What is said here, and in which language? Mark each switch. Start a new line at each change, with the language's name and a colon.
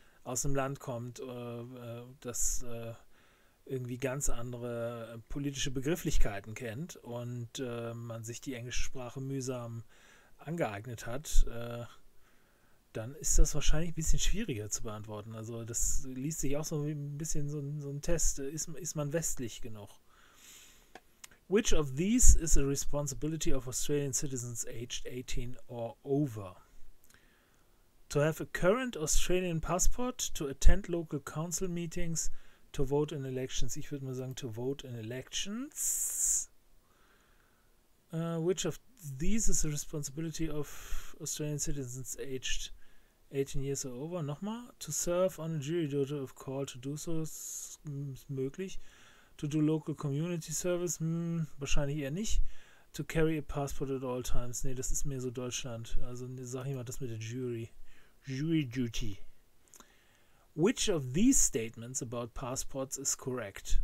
German: aus dem Land kommt, das irgendwie ganz andere politische Begrifflichkeiten kennt und man sich die englische Sprache mühsam angeeignet hat, dann ist das wahrscheinlich ein bisschen schwieriger zu beantworten. Also das liest sich auch so wie ein bisschen so ein Test. Ist man westlich genug?
English: Which of these is a responsibility of Australian citizens aged 18 or over? To have a current Australian passport, to attend local council meetings, to vote in elections.
German: Ich würde mal sagen,
English: to vote in elections. Which of these is a responsibility of Australian citizens aged 18 years or over? Nochmal. To serve on a jury duty of call, to do so
German: ist möglich.
English: To do local community service,
German: wahrscheinlich eher nicht.
English: To carry a passport at all times.
German: Nee, das ist mehr so Deutschland. Also sag ich mal das mit der Jury.
English: Jury Duty. Which of these statements about passports is correct?